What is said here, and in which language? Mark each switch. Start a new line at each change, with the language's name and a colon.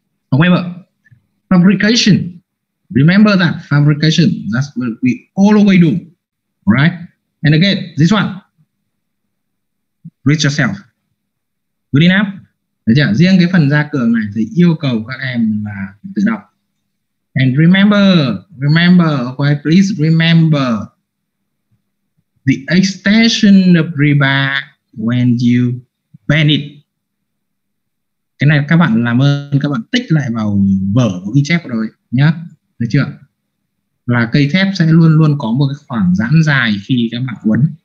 English: However, fabrication. Remember that fabrication. That's what we always do. Right? And again, this one. Reach yourself. Good enough.
Vietnamese: Đấy chứ? Riêng cái phần ra cường này thì yêu cầu các em là tự đọc.
English: And remember, okay, please remember the extension of rebar when you bend it.
Vietnamese: Cái này các bạn làm ơn, các bạn tích lại vào vở của ghi chép rồi nhá, được chưa? Là cây thép sẽ luôn luôn có một cái khoảng giãn dài khi các bạn quấn.